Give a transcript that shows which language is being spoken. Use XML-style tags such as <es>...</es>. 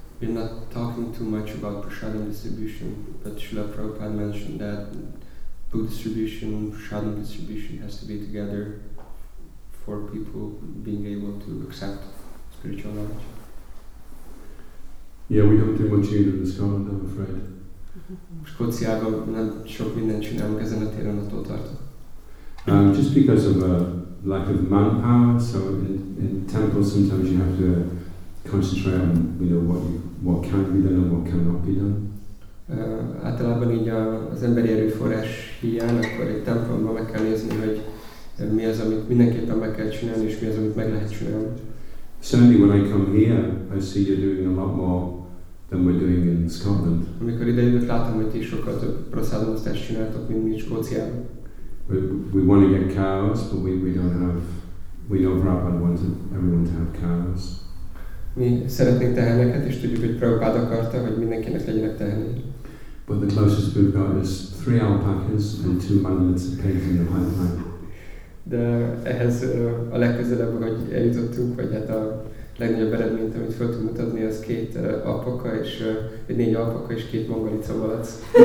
<en>We're not talking too much about prasádam distribution, but Srila Prabhupád mentioned that book distribution, prasádam distribution has to be together for people being able to accept spiritual knowledge. Yeah, we don't do much either in Scotland, I'm afraid.</en> <hu>Skóciában nem sok mindent csinálunk ezen a téren, attól tartok.</hu> <en>Just because of a lack of manpower, so in temples sometimes you have to concentrate on, you know, what can be done and what cannot be done.</en> <hu>Általában így az emberi erőforrás hiány, akkor egy templomban meg kell nézni, hogy mi az, amit mindenképpen meg kell csinálni, és mi az, amit meg lehet csinálni.</hu> <en>Certainly when I come here, I see you're doing a lot more than we're doing in Scotland.</en> <hu>Amikor idejövök, látom, hogy ti sokkal több prasádaosztást csináltok, mint mi Skóciában.</hu> <en>We want to get cows, but we don't have... We know Prabhupada wants everyone to have cows.</en> <hu>Mi szeretnénk teheneket, és tudjuk, hogy Prabhupada akarta, hogy mindenkinek legyenek tehenei.</hu> <en>But the closest we've got is 3 alpacas and 2 mandalas of painting the pipeline.</en> <hu>De ehhez a legközelebb, hogy eljutottunk, vagy hát a legnagyobb eredményt, amit fel tudunk mutatni, az 2 alpaka és 4 alpaka és 2 mongolica malac.</hu>